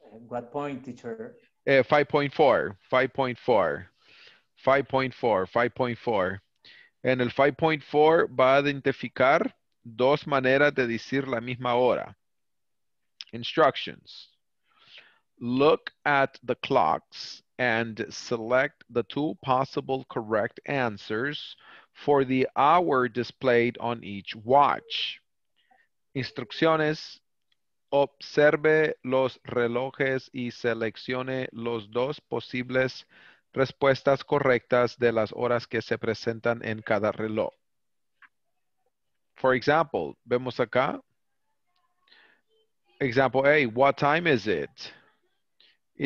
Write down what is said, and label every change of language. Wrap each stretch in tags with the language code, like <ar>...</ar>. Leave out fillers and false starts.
<en>What point, teacher? 5.4, 5.4, 5.4, 5.4.</en> <es>En el 5.4 va a identificar dos maneras de decir la misma hora.</es> <en>Instructions. Look at the clocks and select the two possible correct answers for the hour displayed on each watch.</en> <es>Instrucciones: observe los relojes y seleccione los dos posibles respuestas correctas de las horas que se presentan en cada reloj.</es> <en>For example,</en> <es>vemos acá.</es> <en>Example A: What time is it? Y</en>